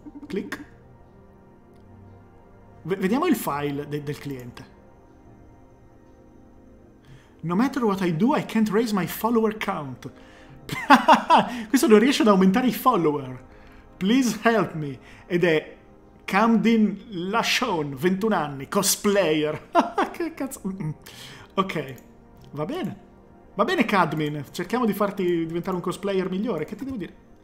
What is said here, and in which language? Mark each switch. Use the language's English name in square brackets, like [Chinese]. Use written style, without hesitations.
[Italian] Clic. Vediamo il file del cliente. [English] No matter what I do, I can't raise my follower count. [Italian] Questo non riesce ad aumentare i follower. [English] Please help me. [Italian] Ed è Camden Lashon, 21 anni, cosplayer. Che cazzo. Ok, va bene. Va bene, Cadmin. Cerchiamo di farti diventare un cosplayer migliore. Che ti devo dire?